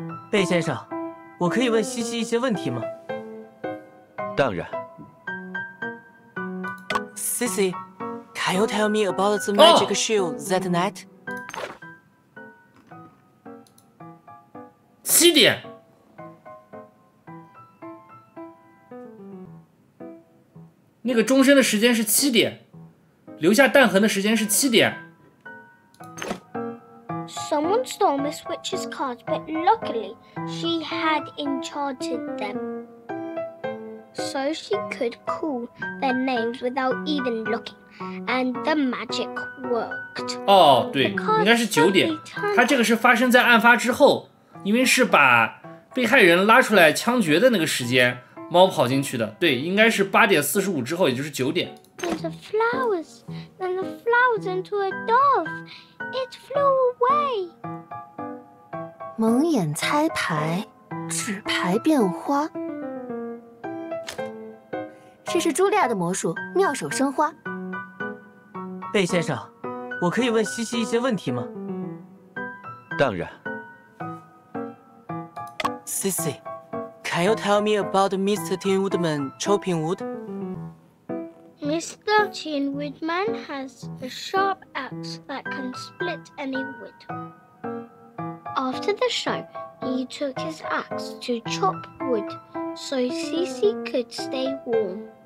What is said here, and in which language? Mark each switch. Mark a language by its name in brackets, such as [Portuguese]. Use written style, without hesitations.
[Chinese] 贝先生，我可以问西西一些问题吗？当然。 [English] CC, can you tell me about the magic show that night? [Chinese] 七点。那个钟声的时间是七点，留下弹痕的时间是七点。 Someone stole Miss Witch's cards, but luckily she had enchanted them, so she could call their names without even looking, and the magic worked. 哦，对，应该是九点。他这个是发生在案发之后，因为是把被害人拉出来枪决的那个时间。猫跑进去的，对，应该是8:45之后，也就是九点。 [English] Then the flowers into a dove, it flew away. [Chinese] 蒙眼猜牌，纸牌变花。这是茱莉亚的魔术，妙手生花。贝先生，我可以问西西一些问题吗？当然。西西。 [English] Can you tell me about Mr. Tin Woodman chopping wood? Mr. is 30 and wood man has a sharp axe that can split any wood. After the show, he took his axe to chop wood so Cici could stay warm.